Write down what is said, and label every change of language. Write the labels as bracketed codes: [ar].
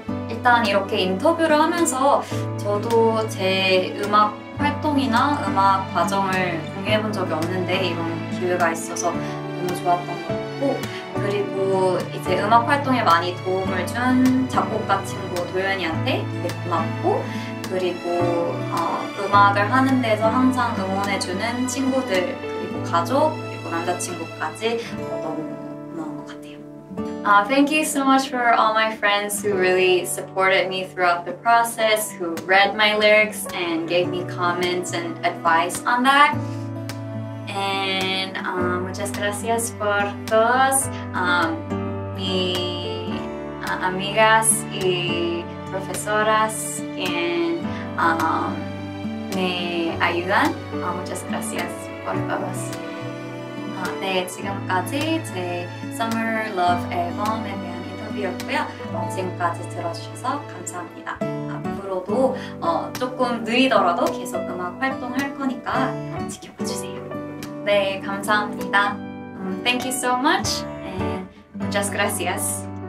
[ko] 일단 이렇게 인터뷰를 하면서 저도 제 음악 활동이나 음악 과정을 공유해본 적이 없는데 이런 기회가 있어서 너무 좋았던 것 같고, 그리고 이제 음악 활동에 많이 도움을 준 작곡가 친구 도연이한테 되게 고맙고, 그리고 음악을 하는 데서 항상 응원해주는 친구들, 그리고 가족, 그리고 남자친구까지 너무 고마운 것 같아요. [en] Thank you so much for all my friends who really supported me throughout the process, who read my lyrics and gave me comments and advice on that. [es] And muchas gracias por todos, mi amigas y profesoras quien me ayudan. Muchas gracias por todos. [ko] 네, 지금까지 제 Summer Love 앨범에 대한 인터뷰였고요. 지금까지 들어주셔서 감사합니다. 앞으로도 조금 느리더라도 계속 음악 활동할 거니까 지켜봐 주세요. 네, 감사합니다. [en] Thank you so much and [es] muchas gracias.